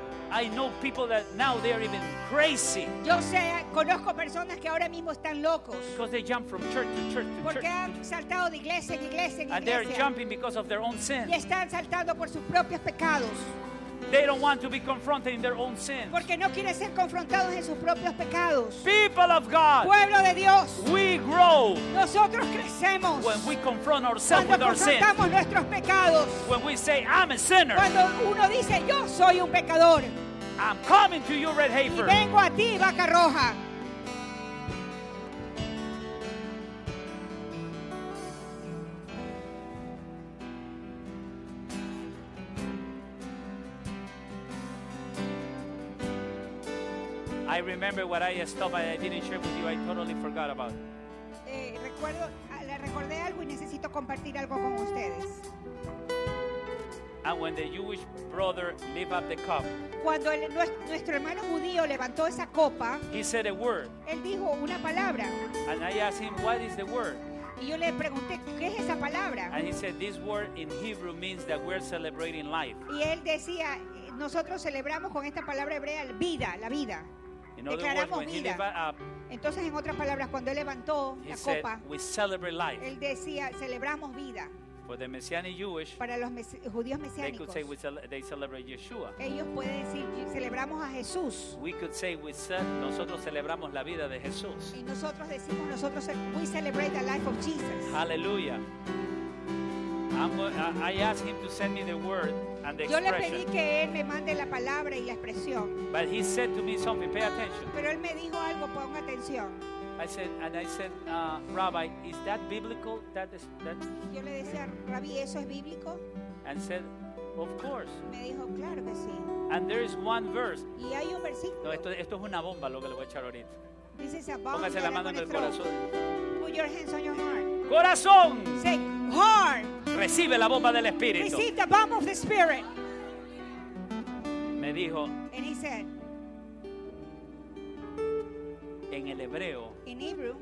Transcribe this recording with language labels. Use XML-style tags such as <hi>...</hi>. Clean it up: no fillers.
<en>I know people that now they are even crazy.</en> <es>Yo sé, conozco personas que ahora mismo están locos.</es> <en>Because they jump from church to church to</en> <es>Porque</es> <en>church.</en> <es>Porque han saltado de iglesia en iglesia en</es> <en>and</en> <es>iglesia.</es> <en>And they're jumping because of their own sin.</en> <es>Y están saltando por sus propios pecados.</es> <en>They don't want to be confronted in their own sins.</en> <es>Porque no quieren ser confrontados en sus propios pecados.</es> <en>People of God.</en> <es>Pueblo de Dios.</es> <en>We grow.</en> <es>Nosotros crecemos.</es> <en>When we confront ourselves with our sins.</en> <es>Cuando confrontamos nuestros pecados.</es> <en>When we say I'm a sinner.</en> <es>Cuando uno dice yo soy un pecador.</es> <en>I'm coming to you, Red Heifer.</en> <es>Y vengo a ti, vaca roja.</es> <en>I remember what I stopped and I didn't share with you. I totally forgot about it.</en> <es>Recuerdo, le recordé algo y necesito compartir algo con ustedes.</es> <en>And when the Jewish brother lifted up the cup,</en> <es>cuando el, nuestro hermano judío levantó esa copa,</es> <en>he said a word.</en> <es>Él dijo una palabra.</es> <en>And I asked him, what is the word?</en> <es>Y yo le pregunté, ¿qué es esa palabra?</es> <en>And he said, this word in Hebrew means that we're celebrating life.</en> <es>Y él decía, nosotros celebramos con esta palabra hebrea vida, la vida. Declaramos vida. Entonces, en otras palabras, cuando él levantó la copa,</es> <en>we celebrate life.</en> <es>Él decía, celebramos vida.</es> <en>For the Messianic Jewish,</en> <es>para los judíos mesiánicos,</es> <en>they could say they celebrate Yeshua.</en> <es>Ellos pueden decir, celebramos a Jesús.</es> <en>We could say</en> <es>nosotros celebramos la vida de Jesús. Y nosotros decimos, nosotros,</es> <en>we celebrate the life of Jesus. Hallelujah. I asked him to send me the word and the expression.</en> <es>Yo le pedí que él me mande la palabra y la expresión.</es> <en>But he said to me something. Pay attention.</en> <es>Pero él me dijo algo. Pon atención.</es> <en>I said, Rabbi, is that biblical? That.</en> <es>Yo le decía, Rabbi, ¿eso es bíblico?</es> <en>And said, of course.</en> <es>Me dijo, claro que sí.</es> <en>And there is one verse.</en> <es>Y hay un versículo. No, esto es una bomba lo que le voy a echar ahorita.</es> <en>This is a bomb.</en> <es>Póngase la mano en el corazón.</es> <en>Put your hands on your heart.</en> <es>Corazón.</es> <en>Say, heart.</en> <es>Recibe la bomba del Espíritu.</es> <en>Receive the bomb of the Spirit.</en> <es>Me dijo.</es> <en>And he said.</en> <es>En el hebreo.</es> <en>In Hebrew.</en>